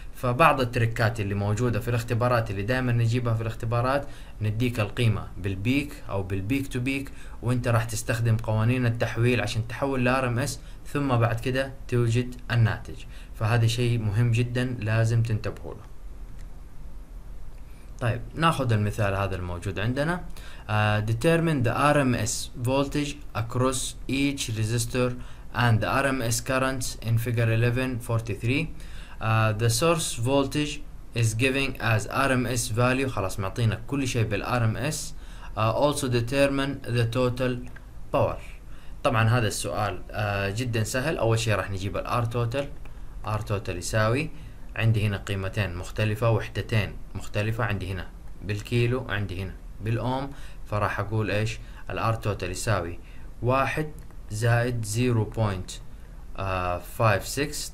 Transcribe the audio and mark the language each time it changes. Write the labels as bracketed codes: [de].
[ar] فبعض التركات اللي موجودة في الاختبارات اللي دائما نجيبها في الاختبارات نديك القيمة بالبيك أو بالبيك تو بيك، وانت راح تستخدم قوانين التحويل عشان تحول لار ام اس، ثم بعد كده توجد الناتج. فهذا شيء مهم جدا لازم تنتبهوا له. طيب ناخذ المثال هذا الموجود عندنا. [en] Determine the RMS voltage across each resistor and the RMS current in figure 1143. The source voltage is given as RMS value. [ar] خلاص معطينا كل شيء بالRMS. [en] Also determine the total power. [ar] طبعا هذا السؤال جدا سهل. اول شيء راح نجيب الR total. R total يساوي عندي هنا قيمتين مختلفة، وحدتين مختلفة عندي هنا بالكيلو، عندي هنا بالأوم، فراح أقول إيش الار توتال يساوي 1 زائد 0.56.